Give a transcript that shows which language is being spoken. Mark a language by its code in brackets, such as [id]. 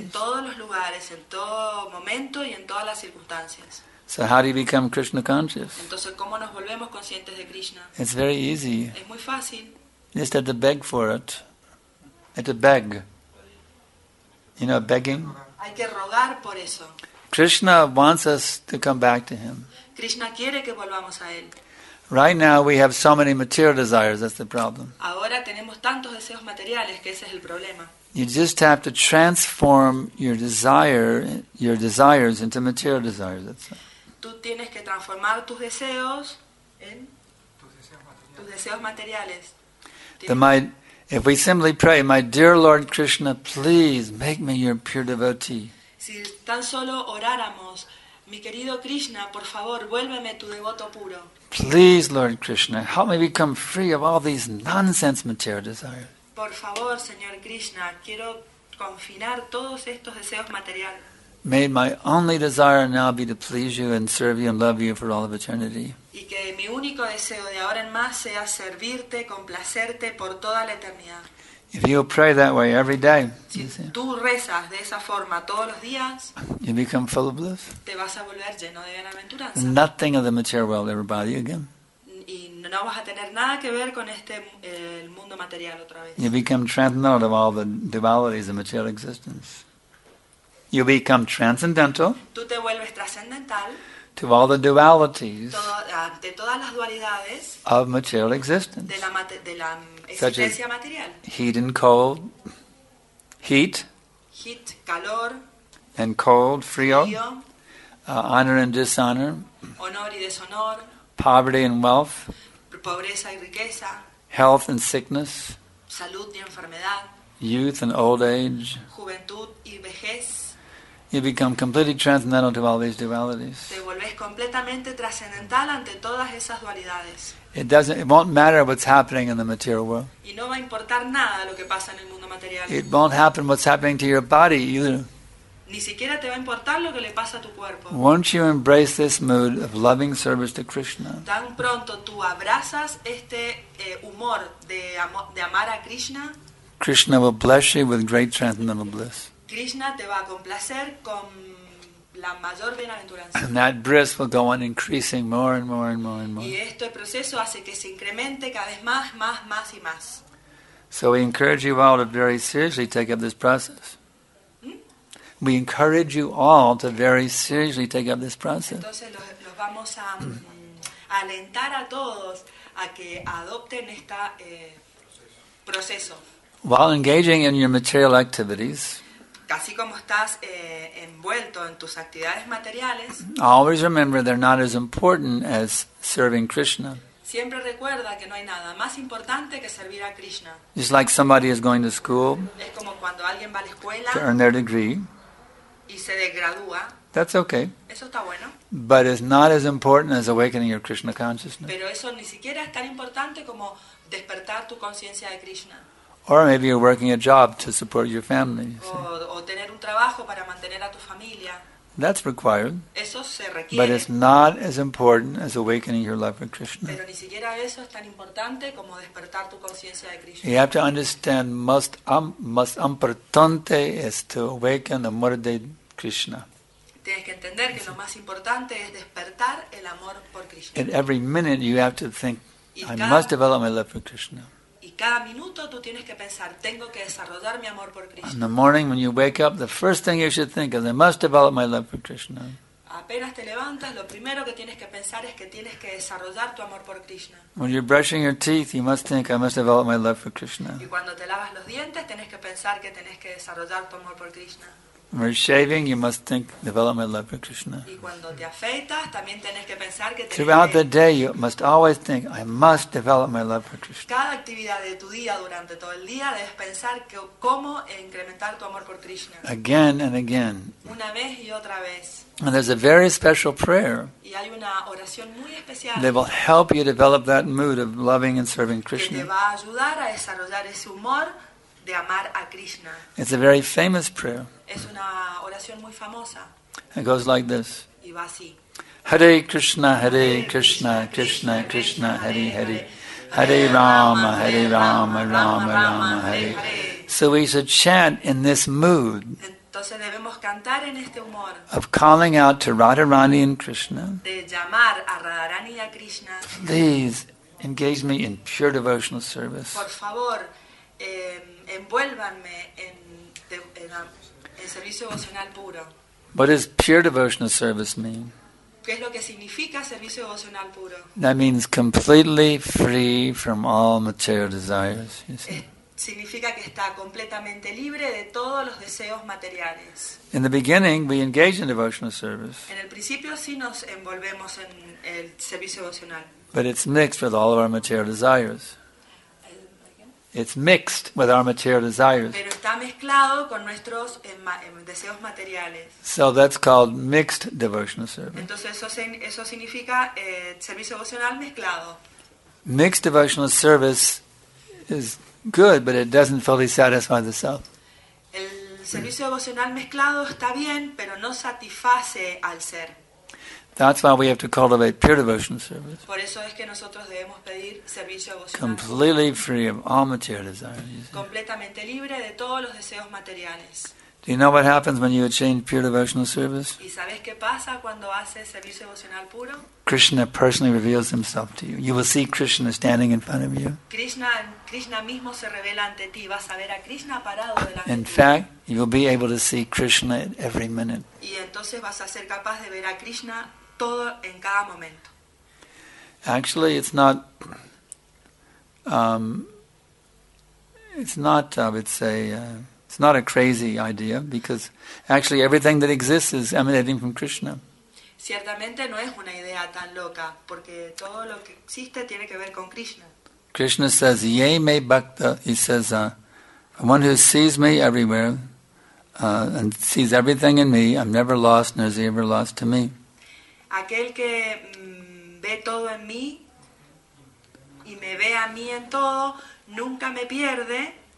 [es] En todos los lugares, en todo momento y en todas las circunstancias. [en] So how do you become Krishna conscious? [es] Entonces, ¿cómo nos volvemos conscientes de Krishna? [en] It's very easy. [es] Es muy fácil. [en] You just have to beg for it. You have to beg. You know, begging? [es] Hay que rogar por eso. [en] Krishna wants us to come back to Him. [es] Krishna quiere que volvamos a Él. [en] Right now we have so many material desires, that's the problem. [es] Ahora tenemos tantos deseos materiales que ese es el problema. [en] You just have to transform your desires into material desires, that's all. [es] Tú tienes que transformar tus deseos en tus deseos materiales. [en] If we simply pray, my dear Lord Krishna, please make me your pure devotee. [es] Si tan solo oráramos, Mi querido Krishna, por favor, vuélveme tu devoto puro. [en] Please, Lord Krishna, help me become free of all these nonsense material desires. [es] Por favor, señor Krishna, quiero confinar todos estos deseos materiales. [en] May my only desire now be to please you and serve you and love you for all of eternity. [es] Y que mi único deseo de ahora en más sea servirte, complacerte por toda la eternidad. [en] If you pray that way every day, [es] si tú rezas de esa forma todos los días, [en] you become full of bliss. [es] Te vas a volver lleno de bienaventuranza. [en] Nothing of the material world ever bother you again. [es] Y no vas a tener nada que ver con este el mundo material otra vez. [en] You become transcendental of all the dualities of material existence. You become transcendental. [es] Tú te vuelves transcendental. [en] To all the dualities. [es] De todas las dualidades. [en] Of material existence. [es] De la existencia material. [en] Heat and cold. Heat. [es] Heat, calor. [en] And cold, frío. [es] Frío. [en] Honor and dishonor. [es] Honor y deshonor. [en] Poverty and wealth. [es] Pobreza y riqueza. [en] Health and sickness. [es] Salud y enfermedad. [en] Youth and old age. [es] Juventud y vejez. [en] You become completely transcendental to all these dualities. [es] Te vuelves completamente trascendental ante todas esas dualidades. [en] It won't matter what's happening in the material world. [es] Y no va a importar nada lo que pasa en el mundo material. [en] It won't happen what's happening to your body either. [es] Ni siquiera te va a importar lo que le pasa a tu cuerpo. [en] Won't you embrace this mood of loving service to Krishna? [es] Tan pronto tú abrazas este humor de amar a Krishna. [en] Krishna will bless you with great transcendental bliss. [es] Krishna te va a complacer con la mayor bienaventuranza. [en] And that bliss will go on increasing more and more and more and more. [es] Y este proceso hace que se incremente cada vez más, más, más y más. [en] So we encourage you all to very seriously take up this process. We encourage you all to very seriously take up this process. [es] Entonces los vamos a alentar a todos a que adopten este proceso. [en] While engaging in your material activities. [es] Así como estás envuelto en tus actividades materiales. [en] Always remember they're not as important as serving Krishna. [es] Siempre recuerda que no hay nada más importante que servir a Krishna. [en] It's like somebody is going to school. [es] Es como cuando alguien va a la escuela. [en] To earn their degree. [es] Y se degradúa. [en] That's okay. [es] Eso está bueno. [en] But it's not as important as awakening your Krishna consciousness. [es] Pero eso ni siquiera es tan importante como despertar tu conciencia de Krishna. [en] Or maybe you're working a job to support your family. [es] O tener un trabajo para mantener a tu familia. [en] That's required. [es] Eso se requiere. [en] But it's not as important as awakening your love for Krishna. [es] Pero ni siquiera eso es tan importante como despertar tu conciencia de Krishna. [en] You have to understand [es] más importante es [en] to awaken the [es] amor de [en] Krishna. [es] Tienes que entender que lo más importante es despertar el amor por Krishna. [en] At every minute you have to think, I must develop my love for Krishna. [es] Cada minuto tú tienes que pensar, tengo que desarrollar mi amor por Krishna. [en] In the morning when you wake up, the first thing you should think is I must develop my love for Krishna. [es] Apenas te levantas, lo primero que tienes que pensar es que tienes que desarrollar tu amor por Krishna. [en] When you're brushing your teeth, you must think I must develop my love for Krishna. [es] Y cuando te lavas los dientes, tienes que pensar que tienes que desarrollar tu amor por Krishna. [en] When you're shaving, you must think, develop my love for Krishna. [es] Y cuando te afeitas, también tienes que pensar que [en] throughout the day, you must always think, I must develop my love for Krishna. [es] Cada actividad de tu día durante todo el día debes pensar que cómo incrementar tu amor por Krishna. [en] Again and again. [es] Una vez y otra vez. [en] And there's a very special prayer. [es] Y hay una oración muy especial. [en] That will help you develop that mood of loving and serving Krishna. [es] Que te va a ayudar a desarrollar ese humor de amar a Krishna. [en] It's a very famous prayer. [es] Es una oración muy famosa. [en] It goes like this. [es] Y va así. [sa] Hare Krishna, Krishna, Krishna, Hare Hare. Hare Rama, Rama, Rama, Hare. [en] So we should chant in this mood. [es] Entonces debemos cantar en este humor. [en] Of calling out to Radharani and Krishna. [es] De llamar a Radharani y a Krishna. [en] Please engage me in pure devotional service. [es] Por favor, envuélvanme en servicio devocional puro. [en] What does pure devotional service mean? [es] ¿Qué es lo que significa servicio devocional puro? [en] That means completely free from all material desires. You see. [es] Significa que está completamente libre de todos los deseos materiales. [en] In the beginning, we engage in devotional service. [es] En el principio sí nos envolvemos en el servicio devocional. [en] But it's mixed with all of our material desires. It's mixed with our material desires. [es] Pero está mezclado con nuestros deseos materiales. [en] So that's called mixed devotional service. [es] Entonces eso significa servicio devocional mezclado. [en] Mixed devotional service is good, but it doesn't fully satisfy the self. [es] El servicio devocional mezclado está bien, pero no satisface al ser. [en] That's why we have to cultivate pure devotional service. [es] Por eso es que nosotros debemos pedir servicio devocional. [en] Completely free of all material desires. [es] Completamente libre de todos los deseos materiales. [en] Do you know what happens when you achieve pure devotional service? [es] ¿Y sabes qué pasa cuando haces servicio devocional puro? [en] Krishna personally reveals himself to you. You will see Krishna standing in front of you. [es] Krishna mismo se revela ante ti. Vas a ver a Krishna parado delante de ti. [en] In fact, you will be able to see Krishna at every minute. [es] Y entonces vas a ser capaz de ver a Krishna todo en cada momento. [en] Actually, it's not a crazy idea, because actually everything that exists is emanating from Krishna. [es] Ciertamente no es una idea tan loca, porque todo lo que existe tiene que ver con Krishna. [en] Krishna says, "Ye me bhakta." He says, "One who sees me everywhere and sees everything in me, I'm never lost, nor is he ever lost to me." [es] Aquel que ve todo en mí y me ve a mí en todo, nunca me pierde.